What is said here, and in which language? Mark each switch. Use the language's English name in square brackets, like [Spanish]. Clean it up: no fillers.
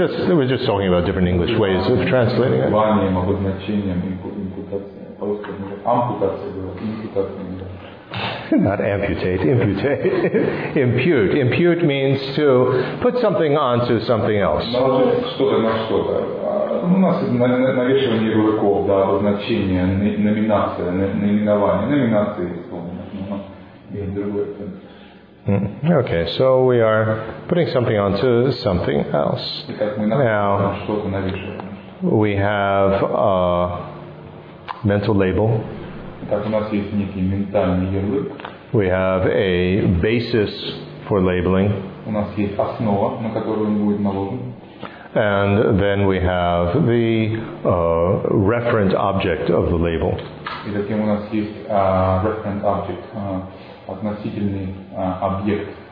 [English] We're just talking about different English ways of translating it. [Russian] Ментальным обозначением импутация. Ампутация была. Импутация. [English] Not amputate, impute. Impute. Impute means to put something onto something else. [Russian] Что-то на что-то. У нас навешивание ярлыков, да, обозначение, номинация, наименование. Номинация, исполнено. [English] Okay, so we are putting something onto something else. Now, we have a mental label. [Russian] Так, у нас есть некий ментальный ярлык. [English] We have a basis for labeling. [Russian] У нас есть основа, на которую он будет наложен. [English] And then we have the referent object of the label. [Russian] И затем у нас есть referent object, относительный объект.